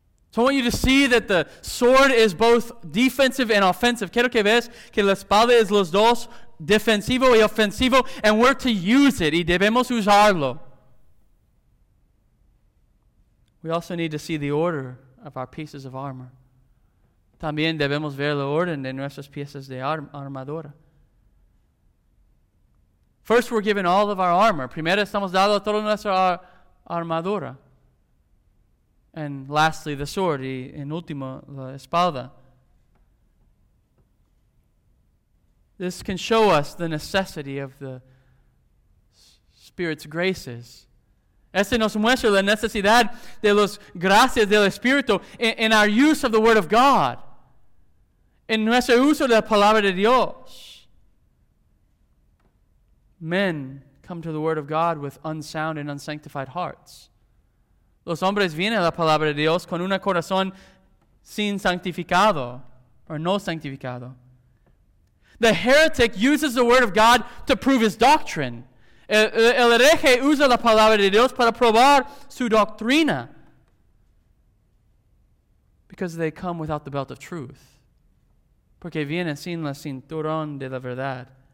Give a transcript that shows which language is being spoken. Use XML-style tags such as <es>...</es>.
<en>So I want you to see that the sword is both defensive and offensive.</en> <es>Quiero que veas que la espada es los dos, defensivo y ofensivo,</es> <en>and we're to use it.</en> <es>Y debemos usarlo.</es> <en>We also need to see the order of our pieces of armor.</en> <es>También debemos ver la orden de nuestras piezas de armadura.</es> <en>First, we're given all of our armor.</en> <es>Primero, estamos dados toda nuestra armadura.</es> <en>And lastly, the sword.</en> <es>Y en último, la espada.</es> <en>This can show us the necessity of the Spirit's graces.</en> <es>Este nos muestra la necesidad de las gracias del Espíritu</es> <en>in our use of the Word of God.</en> <es>En nuestro uso de la palabra de Dios.</es> <en>Men come to the word of God with unsound and unsanctified hearts.</en> <es>Los hombres vienen a la palabra de Dios con un corazón sin santificado, or no santificado.</es> <en>The heretic uses the word of God to prove his doctrine.</en> <es>El hereje usa la palabra de Dios para probar su doctrina.</es> <en>Because they come without the belt of truth.</en> <es>Porque viene sin la cinturón de la verdad.</es>